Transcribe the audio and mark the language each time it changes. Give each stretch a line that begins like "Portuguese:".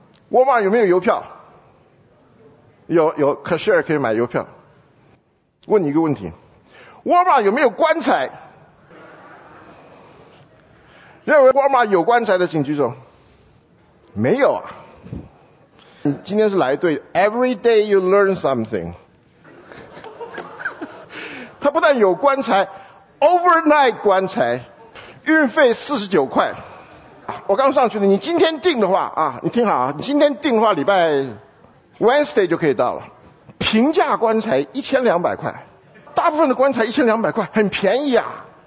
Chinese: 沃尔玛有没有邮票？有 cashier 可以买邮票。问你一个问题，沃尔玛有没有棺材？认为沃尔玛有棺材的请举手。没有啊。你今天是来对
English: Every day you learn something。
Chinese: 他不但有棺材， Overnight 棺材，运费49块。我刚上去的，你今天订的话啊，你听好啊，你今天订的话礼拜 Wednesday 就可以到了。平价棺材1200块，大部分的棺材1200块，很便宜啊。